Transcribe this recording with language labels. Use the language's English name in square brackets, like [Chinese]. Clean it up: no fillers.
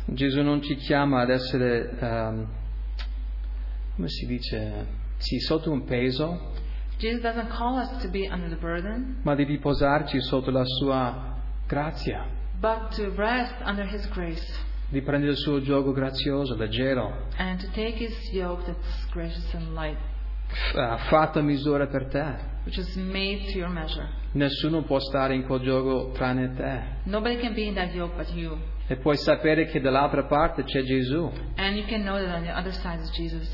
[Italian] Gesù non ci chiama ad essere come si dice? Sì, sotto un peso. [English] Jesus doesn't call us to be under the burden. [Italian] Ma di riposarci sotto la sua grazia. [English] But to rest under his grace. [Italian] Di prendere il suo giogo grazioso, leggero. [English] And to take his yoke that's gracious and light. [Italian] Fatto a misura per te. [English] Which is made to your measure. [Italian] Nessuno può stare in quel giogo tranne te. [English] Nobody can be in that yoke but you. [Italian] E puoi sapere che dall'altra parte c'è Gesù. [English] And you can know that on the other side is Jesus.